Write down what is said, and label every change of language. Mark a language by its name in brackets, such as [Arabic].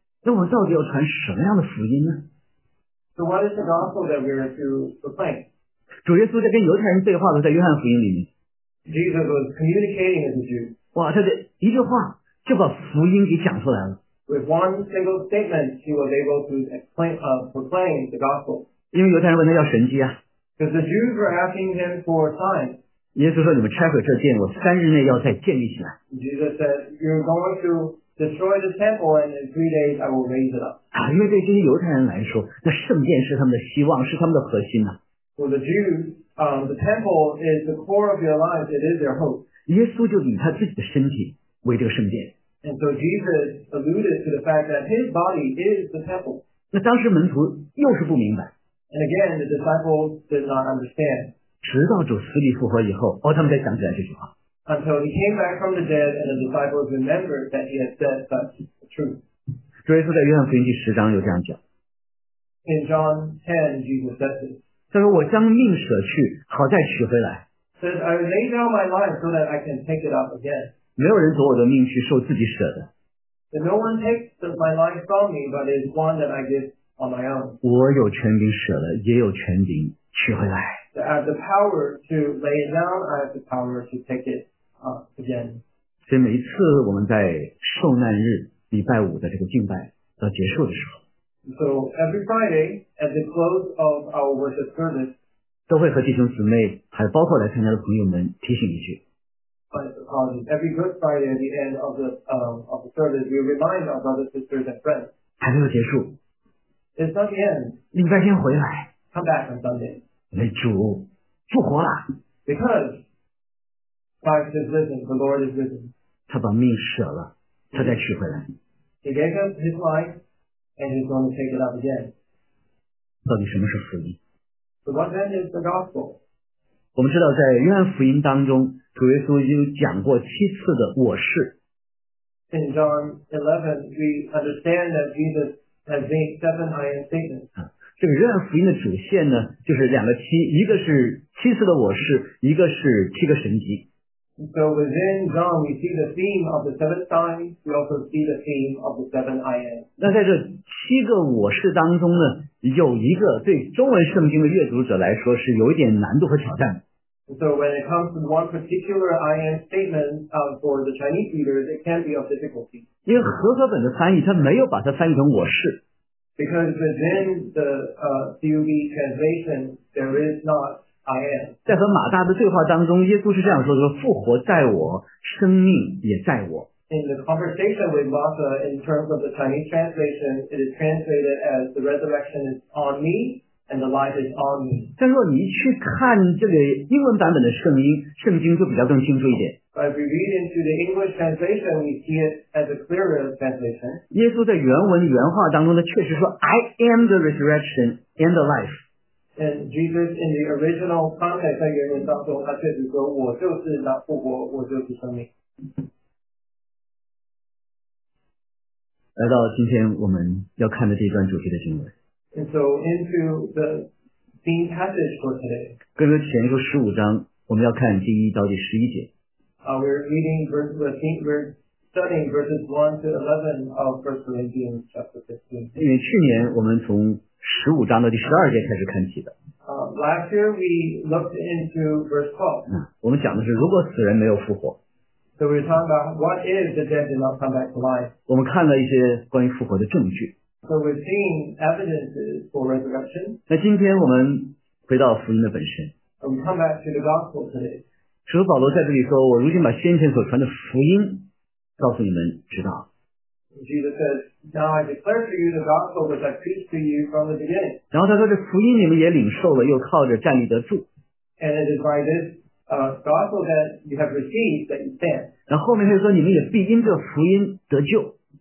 [Chinese] 那我到底要传什么样的福音呢？ [English] So what is the gospel that we are to proclaim? [Chinese] 主耶稣在跟犹太人对话的，在约翰福音里面。 [English] Jesus was communicating with the Jews. [Chinese] 哇，他的一句话就把福音给讲出来了。 [English] With one single statement, he was able to proclaim the gospel. [Chinese] 因为犹太人问他要神迹啊。 [English] Because the Jews were asking him for a sign. [Chinese] 耶稣说：“你们拆毁这殿，我三日内要再建立起来。” [English] Jesus said, "You're going to destroy the temple, and in 3 days I will raise it up." [Chinese] 啊，因为对这些犹太人来说，那圣殿是他们的希望，是他们的核心呐。 [English] For the Jews, the temple is the core of their lives. It is their hope. [Chinese] 耶稣就以他自己的身体为这个圣殿。 [English] And so Jesus alluded to the fact that his body is the temple. [Chinese] 那当时门徒又是不明白。 [English] And again, the disciples did not understand. [Chinese] 直到主死里复活以后，哦，他们才想起来这句话。 [English] Until he came back from the dead and the disciples remembered that he had said such the truth. [Chinese] 主耶稣在约翰福音第十章有这样讲。 [English] In John 10, Jesus said this. [Chinese] 他说我将命舍去，好再取回来。 [English] Says, I lay down my life so that I can take it up again. [Chinese] 没有人夺我的命去受自己舍的。 [English] But no one takes my life from me, but is one that I give on my own. [Chinese] 我有权柄舍了，也有权柄取回来。 [English] So I have the power to lay it down, I have the power to take it up again. [Chinese] 所以每一次我们在受难日礼拜五的这个敬拜到结束的时候。 [English] So every Friday, at the close of our worship service, [Chinese] 都会和弟兄姊妹还包括来参加的朋友们提醒一句。 [English] Every good Friday at the end of the service, we remind our brothers, sisters, and friends. [Chinese] 还没有结束。 [English] It's not the end. [Chinese] 礼拜天回来。 [English] Come back on Sunday. [Chinese] 那主复活了。 [English] Because Christ is risen, the Lord is risen. [Chinese] 他把命舍了他再取回来。 [English] He gave up his life, and he's going to take it up again. [Chinese] 到底什么是福音？ [English] So what then is the gospel? [Chinese] 我们知道在约翰福音当中主耶稣已经讲过七次的我是。 [English] In John 11, we understand that Jesus has made 7 I am statements. [Chinese] 这个约翰福音的主线呢就是两个七，一个是七次的我是，一个是七个神迹。 [English] So within John, we see the theme of the 7 signs, we also see the theme of the 7 I am. [Chinese] 那在这七个我是当中呢有一个对中文圣经的阅读者来说是有一点难度和挑战。 [English] So when it comes to one particular I am statement, for the Chinese readers, it can be of difficulty. [Chinese] 因为和合本的翻译它没有把它翻译成我是。 [English] Because within the, CUB translation, there is not I am. [Chinese] 在和马大的对话当中耶稣是这样说的复活在我生命也在我。 [English] In the conversation with Martha, in terms of the Chinese translation, it is translated as the resurrection is on me and the life is on me. [Chinese] 但若你去看这个英文版本的圣经，圣经就比较更清楚一点。 [English] But if we read into the English translation, we see it as a clearer translation. [Chinese] 耶稣在原文原话当中呢，确实说 [English] I am the resurrection and the life. And Jesus in the original context [Chinese] 在原文当中，他确实说我就是那复活，我就是生命。来到今天我们要看的这一段主题的经文。 [English] And so into the theme passage for today. [Chinese] 哥林多前书十五章，我们要看第一到第十一节。 [English] We're reading studying verses 1-11 of 1 Corinthians chapter 15. [Chinese] 因为去年我们从十五章的第十二节开始看起的。 [English] Last year we looked into verse 12. [Chinese] 我们讲的是如果死人没有复活。 [English] So we're talking about what if the dead did not come back to life. [Chinese] 我们看了一些关于复活的证据。 [English] So we're seeing evidences for resurrection. [Chinese] 那今天我们回到福音的本身。 [English] And we come back to the gospel today. [Chinese] 使徒保罗在这里说，我如今把先前所传的福音告诉你们知道。 [English] Jesus says, now I declare to you the gospel which I preached to you from the beginning. [Chinese] 然后他说这福音你们也领受了，又靠着站立得住。 [English] And it is by this,gospel that you have received that you stand. [Chinese] 然后后面他说你们也必因这福音得救。